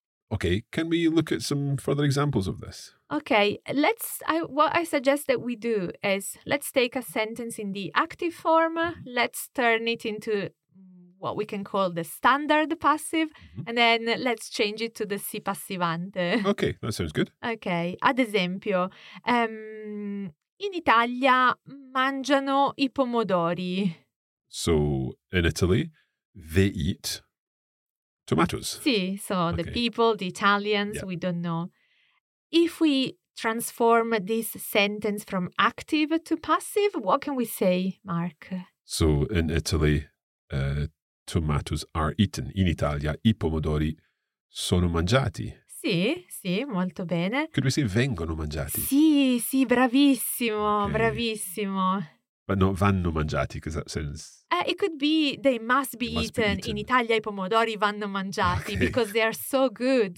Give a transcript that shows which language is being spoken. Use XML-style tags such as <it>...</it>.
<en>Okay, can we look at some further examples of this? Okay, what I suggest that we do is let's take a sentence in the active form, let's turn it into what we can call the standard passive, and then let's change it to the si passivante. Okay, that sounds good.</en> <it>Okay, ad esempio, in Italia mangiano i pomodori.</it> <en>So, in Italy, they eat tomatoes. Sì, so the people, the Italians, we don't know. If we transform this sentence from active to passive, what can we say, Mark? So, in Italy, tomatoes are eaten.</en> <it>In Italia, i pomodori sono mangiati. Sì, sì, molto bene.</it> <en>Could we say</en> <it>vengono mangiati? Sì, sì, bravissimo, okay. Bravissimo.</it> <en>But not vanno mangiati, because that sounds... It could be they must be, eaten.</en> <it>In Italia, I pomodori vanno mangiati,</it> <en>okay. Because they are so good.</en>